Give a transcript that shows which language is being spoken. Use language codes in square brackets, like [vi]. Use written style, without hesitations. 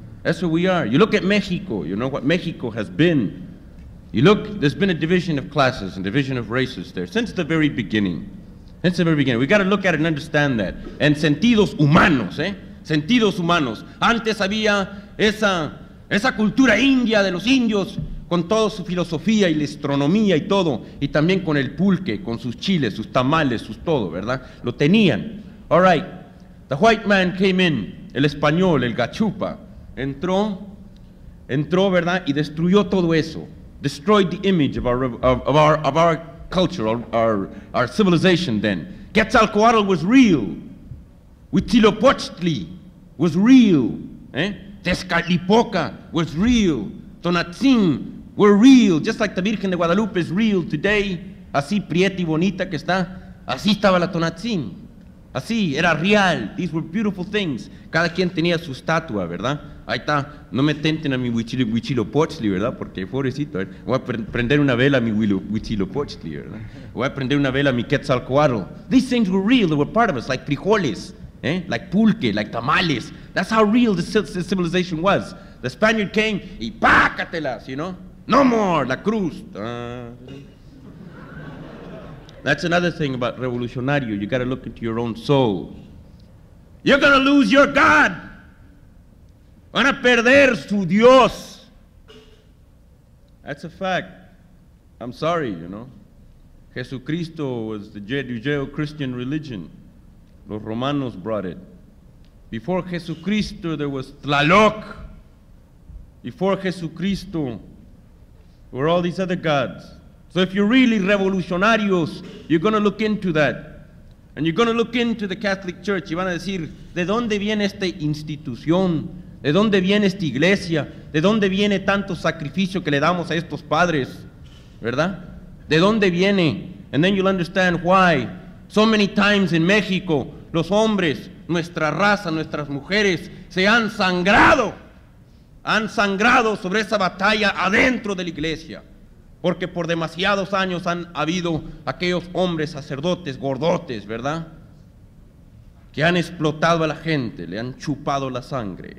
[en] That's who we are. You look at Mexico, you know what Mexico has been. You look, there's been a division of classes and division of races there since the very beginning. Since the very beginning. We got to look at it and understand that. [es] And sentidos humanos, ¿eh? Sentidos humanos. Antes había esa cultura india de los indios con toda su filosofía y la astronomía y todo. Y también con el pulque, con sus chiles, sus tamales, sus todo, ¿verdad? Lo tenían. [en] All right. The white man came in, [es] el español, el gachupa. Entró, ¿verdad? Y destruyó todo eso. [en] Destroyed the image of our culture, our civilization then. Quetzalcoatl was real. Huitzilopochtli was real. Tezcatlipoca was real. Tonatzin were real. Just like the Virgen de Guadalupe is real today. [es] Así prieta y bonita que está. Así estaba la Tonatzin. Así, era real. [en] These were beautiful things. [es] Cada quien tenía su estatua, ¿verdad? Ahí está. No me tenten a mi huichilopochtli, ¿verdad? Porque pobrecito. Voy a prender una vela a mi huichilopochtli, ¿verdad? Voy a prender una vela a mi Quetzalcoatl. [en] These things were real. They were part of us. Like frijoles. Like pulque, like tamales. That's how real the civilization was. The Spaniard came, [es] y pácatelas, [en] you know? No more, [es] la cruz. [en] That's another thing about revolucionario. You gotta look into your own soul. You're gonna lose your God. [es] Van a perder su Dios. [en] That's a fact. I'm sorry, you know? Jesucristo was the Judeo-Christian religion. [es] Los Romanos [en] brought it. Before Jesucristo, there was Tlaloc. Before Jesucristo, there were all these other gods. So if you're really revolucionarios, you're going to look into that. And you're going to look into the Catholic Church. [es] Y van a decir, ¿de dónde viene esta institución? ¿De dónde viene esta iglesia? ¿De dónde viene tanto sacrificio que le damos a estos padres? ¿Verdad? ¿De dónde viene? [en] And then you'll understand why. [es] So many times in Mexico, los hombres, nuestra raza, nuestras mujeres, se han sangrado sobre esa batalla adentro de la iglesia, porque por demasiados años han habido aquellos hombres, sacerdotes, gordotes, ¿verdad?, que han explotado a la gente, le han chupado la sangre.